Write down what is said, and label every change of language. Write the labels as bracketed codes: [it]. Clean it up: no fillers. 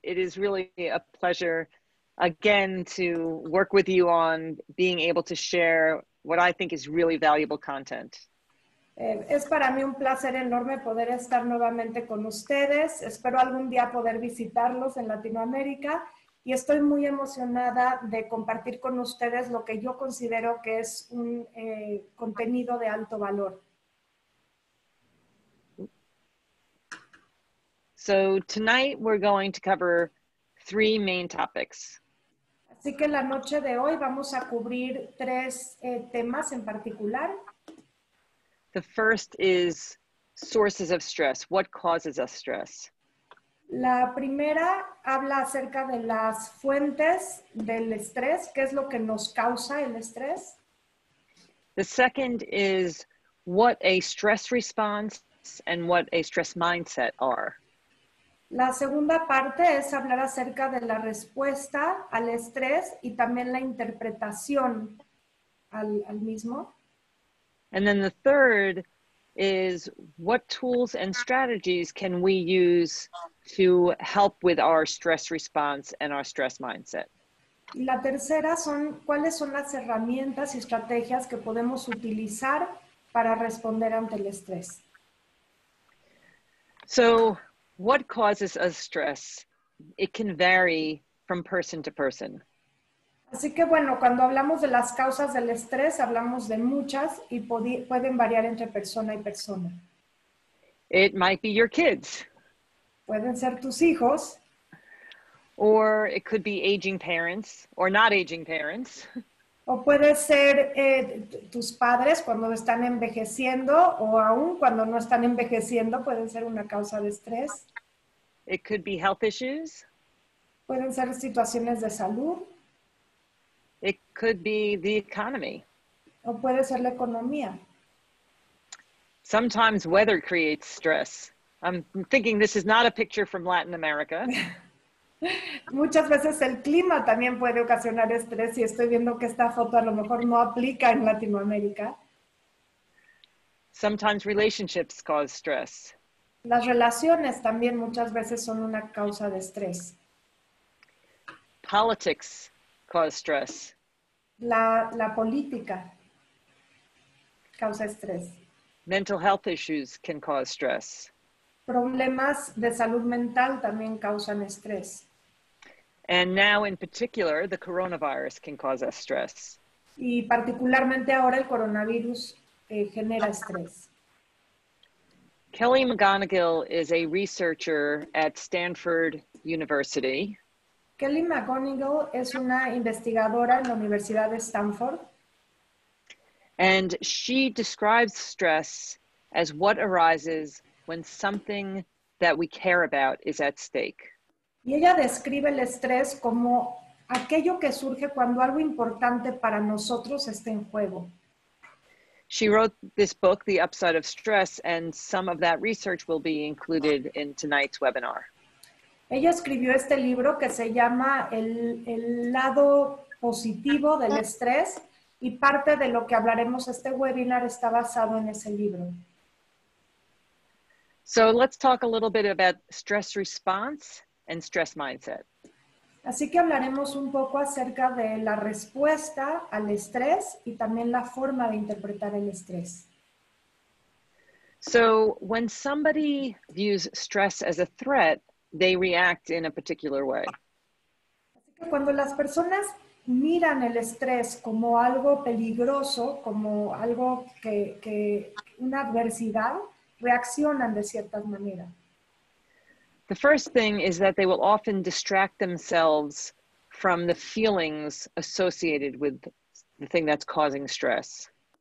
[en] It is really a pleasure again to work with you on being able to share what I think is really valuable content. [es] Es para mí un placer enorme poder estar nuevamente con ustedes. Espero algún día poder visitarlos en Latinoamérica y estoy muy emocionada de compartir con ustedes lo que yo considero que es un contenido de alto valor. [en] So tonight we're going to cover 3 main topics. [es] Así que la noche de hoy vamos a cubrir 3 temas en particular. [en] The first is sources of stress. What causes us stress? [es] La primera habla acerca de las fuentes del estrés. ¿Qué es lo que nos causa el estrés? [en] The second is what a stress response and what a stress mindset are. [es] La segunda parte es hablar acerca de la respuesta al estrés y también la interpretación al mismo. [en] And then the third is what tools and strategies can we use to help with our stress response and our stress mindset. [es] Y la tercera son cuáles son las herramientas y estrategias que podemos utilizar para responder ante el estrés? [en] So, what causes a stress? It can vary from person to person. [es] Así que bueno, cuando hablamos de las causas del estrés, hablamos de muchas y pueden variar entre persona y persona. [en] It might be your kids. [es] Pueden ser tus hijos. [en] Or it could be aging parents or not aging parents. [es] O puede ser tus padres cuando están envejeciendo o aún cuando no están envejeciendo, pueden ser una causa de estrés. [en] It could be health issues. [es] Pueden ser situaciones de salud. [en] It could be the economy. [es] O puede ser la economía. [en] Sometimes weather creates stress. I'm thinking this is not a picture from Latin America. [es] Muchas veces el clima también puede ocasionar estrés y estoy viendo que esta foto a lo mejor no aplica en Latinoamérica. [en] Sometimes relationships cause stress. [es] Las relaciones también muchas veces son una causa de estrés. [en] Politics cause stress. [es] La política causa estrés. [en] Mental health issues can cause stress. [es] Problemas de salud mental también causan estrés. [en] And now in particular, the coronavirus can cause us stress. [es] Y particularmente ahora el coronavirus genera estrés. [en] Kelly McGonigal is a researcher at Stanford University. [es] Kelly McGonigal es una investigadora en la Universidad de Stanford. [en] And she describes stress as what arises when something that we care about is at stake. [es] Y ella describe el estrés como aquello que surge cuando algo importante para nosotros está en juego. [en] She wrote this book, The Upside of Stress, and some of that research will be included in tonight's webinar. [es] Ella escribió este libro que se llama El lado positivo del estrés, y parte de lo que hablaremos este webinar está basado en ese libro. [en] So let's talk a little bit about stress response and stress mindset. [es] Así que hablaremos un poco acerca de la respuesta al estrés y también la forma de interpretar el estrés. [en] So, when somebody views stress as a threat, they react in a particular way. [es] Así que cuando las personas miran el estrés como algo peligroso, como algo que una adversidad, reaccionan de ciertas maneras. [en] The first thing is that they will often distract themselves from the feelings associated with the thing that's causing stress.